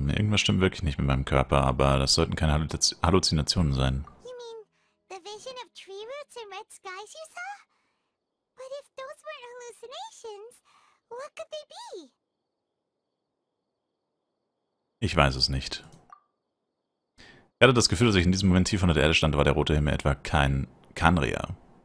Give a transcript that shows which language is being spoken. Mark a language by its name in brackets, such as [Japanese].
[German] Irgendwas stimmt wirklich nicht mit meinem Körper, aber das sollten keine Halluzinationen sein. [English] You mean the vision of tree roots and red skies you saw? But if those weren't hallucinations, what could they be? [German] Ich weiß es nicht. Ich hatte das Gefühl, dass ich in diesem Moment tief unter der Erde stand, war der rote Himmel etwa kein Kanria.